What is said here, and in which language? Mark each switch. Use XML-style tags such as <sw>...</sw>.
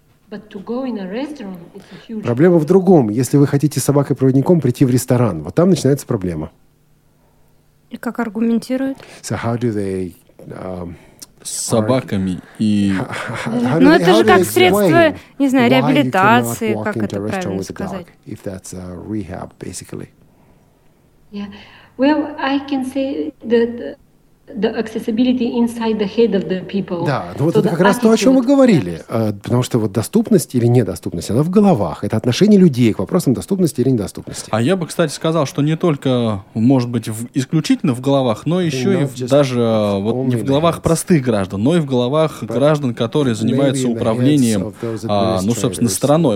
<ru>Проблема в другом. Если вы хотите с собакой-проводником прийти в ресторан, вот там начинается проблема. И как аргументируют?</ru> <en>So how do they... С собаками и...</en> <ru>Ну, это же как средство, не знаю, реабилитации, как это правильно сказать.</ru> <en>If that's a rehab, basically. Yeah. Well, I can say that the accessibility inside the head of the people.</en> <ru>Да, ну вот это как раз то, о чем мы говорили. Потому что вот доступность или недоступность, она в головах. Это отношение людей к вопросам доступности или недоступности. А я бы, кстати, сказал, что не только, может быть, исключительно в головах, но еще и даже вот не в головах простых граждан, но и в головах граждан, которые занимаются управлением, ну, собственно, страной.</ru>